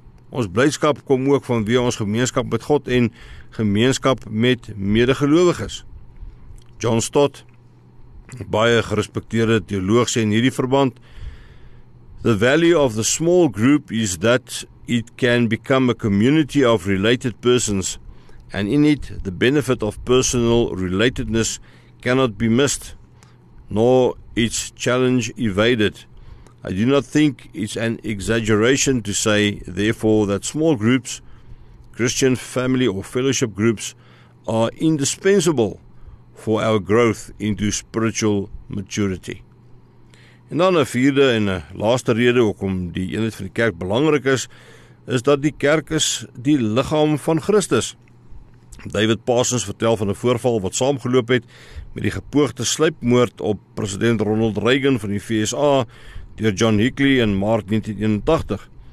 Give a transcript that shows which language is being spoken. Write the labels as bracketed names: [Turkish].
[Afrikaans] Ons blydskap kom ook vanweë ons gemeenskap met God en gemeenskap met medegelowiges. [English] John Stott, [Afrikaans] baie gerespekteerde teoloog, sê in hierdie verband, [English] the value of the small group is that it can become a community of related persons, and in it the benefit of personal relatedness cannot be missed, nor its challenge evaded. I do not think it's an exaggeration to say, therefore, that small groups, Christian family or fellowship groups, are indispensable for our growth into spiritual maturity. [Afrikaans] En dan 'n vierde en 'n laaste rede hoekom die eenheid van die kerk belangrik is, is dat die kerk is die liggaam van Christus. David Parsons vertel van 'n voorval wat saamgeloop het met die gepoogde sluipmoord op president Ronald Reagan van die VSA deur John Hinckley in maart 1981.